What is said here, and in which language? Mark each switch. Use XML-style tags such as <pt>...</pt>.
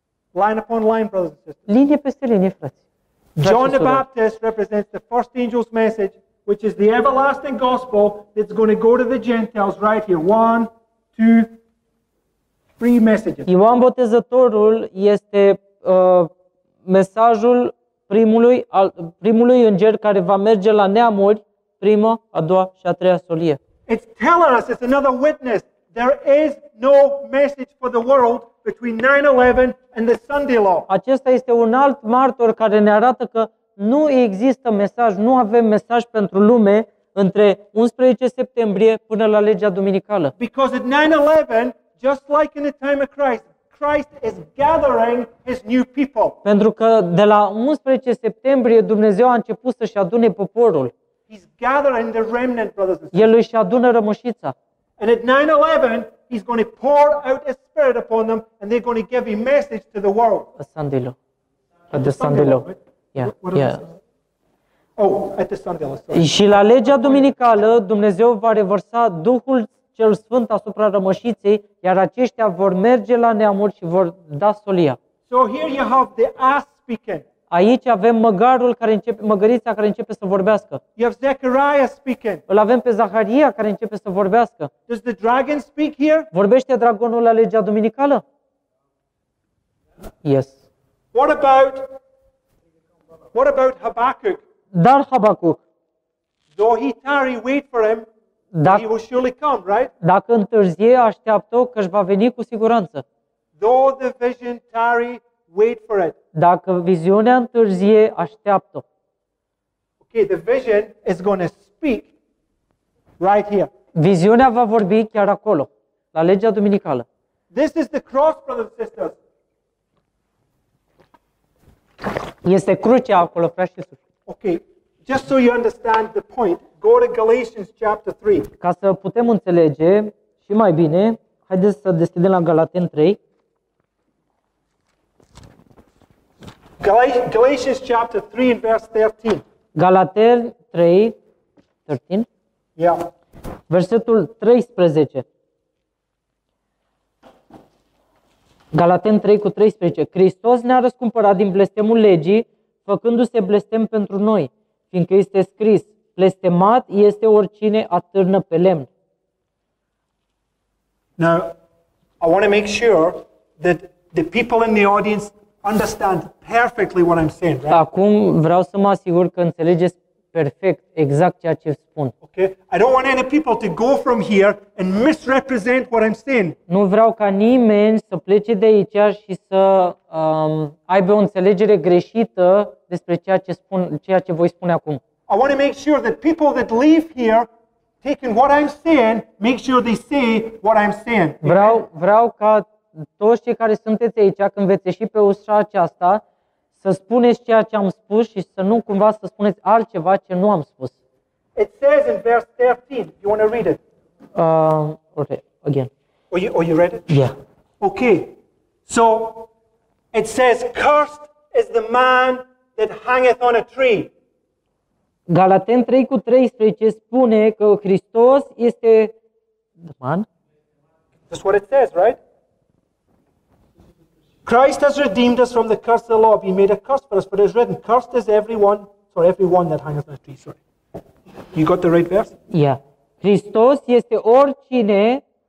<en>Line upon line, brothers and sisters.</en> <ro>Linie peste linie, frați.</ro> <en>John the Baptist represents the first angel's message, which is the everlasting gospel that's going to go to the Gentiles right here. One, two, three messages.</en> <ro>Ioan Botezătorul este mesajul primului înger care va merge la neamuri, prima, a doua și a treia solie.</ro> <en>It's telling us, it's another witness. There is no message for the world between 9/11 and the Sunday law.</en> <ro>Acesta este un alt martor care ne arată că nu există mesaj, nu avem mesaj pentru lume între 11 septembrie până la legea duminicală.</ro> <en>Because at 9/11, just like in the time of Christ, Christ is gathering his new people.</en> <ro>Pentru că de la 11 septembrie Dumnezeu a început să își adune poporul.</ro> <en>He's gathering the remnant, brothers and sisters.</en> <ro>El își adună rămășița.</ro> <en>And at 9/11, he's going to pour out his spirit upon them and they're going to give a message to the world. A Sunday law. At the Sunday law. Yeah. Oh, at the Sunday law. Sorry.</en> <ro>Și la legea duminicală Dumnezeu va revărsa Duhul Cel Sfânt asupra rămășiței, iar aceștia vor merge la neamuri și vor da solia.</ro> <en>So here you have the ass speaking.</en> <ro>Aici avem măgarul care începe, măgărița care începe să vorbească.</ro> <en>You have Zechariah speaking.</en> <ro>Îl avem pe Zaharia care începe să vorbească.</ro> <en>Does the dragon speak here?</en> <ro>Vorbește dragonul la legea duminicală?</ro> <en>Yes. What about Habacuc?</en> <ro>Dar Habacuc.</ro> <en>Though he tarry, wait for him.</en> <ro>Dacă,</ro> <en>he will surely come, right?</en> <ro>Dacă întârzie, așteaptă-o că își va veni cu siguranță.</ro> <en>Though the vision tarry, wait for it.</en> <ro>Dacă viziunea întârzie, așteaptă.</ro> <en>Okay, the vision is going to speak right here.</en> <ro>Viziunea va vorbi chiar acolo, la legea duminicală.</ro> <en>This is the cross, brothers and sisters.</en> <ro>Este crucea acolo, frați și surori.</ro> <en>Okay. Just so you understand the point, go to Galatians chapter 3.</en> <ro>Ca să putem înțelege și mai bine, haideți să deschidem la Galateni 3.</ro> <en>Galatians chapter 3 and verse 13.</en> <ro>Galateni 3, 13.</ro> <en>Yeah.</en> <ro>Versetul 13. Galateni 3 cu 13. Hristos ne-a răscumpărat din blestemul legii, făcându-se blestem pentru noi, fiindcă este scris: blestemat este oricine atârnă pe lemn.</ro> <en>Now, I want to make sure that the people in the audience understand perfectly what I'm saying, right?</en> <ro>Acum vreau să mă asigur că înțelegeți perfect exact ceea ce spun.</ro> <en>Okay? I don't want any people to go from here and misrepresent what I'm saying.</en> <ro>Nu vreau ca nimeni să plece de aici și să aibă o înțelegere greșită despre ceea ce voi spune acum.</ro> <en>I want to make sure that people that leave here taking what I'm saying, make sure they say what I'm saying.</en> <ro>Vreau ca toți cei care sunteți aici când veți ieși pe ușa aceasta să spuneți ceea ce am spus și să nu cumva să spuneți altceva ce nu am spus.</ro> <en>It says in verse 13. You want to read it? Okay, again. Are you read it? Yeah. Okay. So it says, cursed is the man that hangeth on a tree.</en> <ro>Galaten 3 cu 13 spune că Hristos este</ro> <en>the man. That's what it says, right? Christ has redeemed us from the curse of the law, being made a curse for us, for it is written, cursed is everyone that hangeth on a tree. Sorry. You got the right verse?</en> <ro>Yeah. Hristos este oricine.</ro>